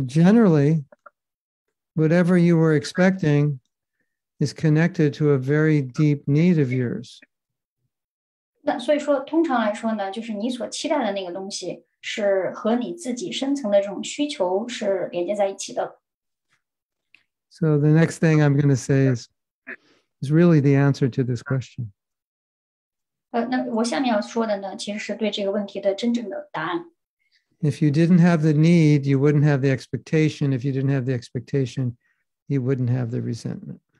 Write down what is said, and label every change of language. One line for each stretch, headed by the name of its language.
English: generally, whatever you were expecting is connected to a very deep need of yours.
Chinese: 那所以说，通常来说呢，就是你所期待的那个东西。是和你自己深层的这种需求是连接在一起的。
English: So the next thing I'm going to say is really the answer to this question.
Chinese: 那我下面要说的呢，其实是对这个问题的真正的答案。
English: If you didn't have the need, you wouldn't have the expectation. If you didn't have the expectation, you wouldn't have the resentment.